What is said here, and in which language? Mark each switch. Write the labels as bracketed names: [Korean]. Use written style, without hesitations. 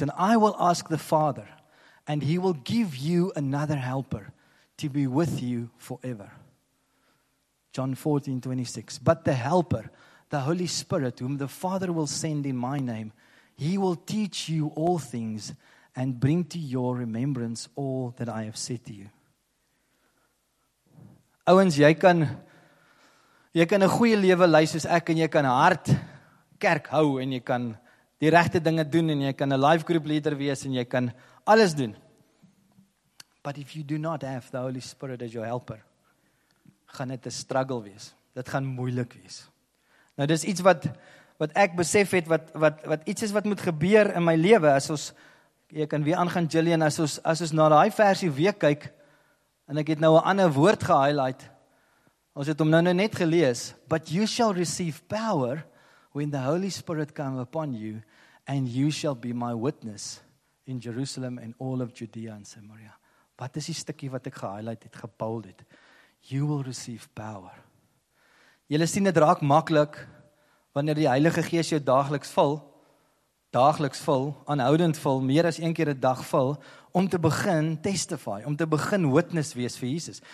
[English] "And I will ask the Father, and he will give you another helper to be with you forever." John 14, 26. "But the helper, the Holy Spirit, whom the Father will send in my name, he will teach you all things and bring to your remembrance all that I have said to you." [Afrikaans] Ouens, jy kan 'n goeie lewe lei soos ek en jy kan hard kerk hou en jy kan die regte dinge doen en jy kan 'n life group leader wees en jy kan alles doen. [English] But if you do not have the Holy Spirit as your helper, [Afrikaans] gaan dit 'n struggle wees. Dit gaan moeilik wees. Nou dis iets wat ek besef het wat iets is wat moet gebeur in my lewe as ons jy kan weer aangaan Jillian as ons na daai versie weer kyk. En ek het nou 'n ander woord gehighlight. Ons het hom nou net gelees. [English] "But you shall receive power when the Holy Spirit come upon you, and you shall be my witness in Jerusalem and all of Judea and Samaria." [Afrikaans] Wat is die stukkie wat ek gehighlight het, gebold het? [English] You will receive power. [Afrikaans] Julle sien dit raak maklik wanneer die Heilige Gees jou daagliks vul, aanhoudend vul, meer as een keer 'n dag vul, om te begin testify, om te begin witness wees vir Jesus.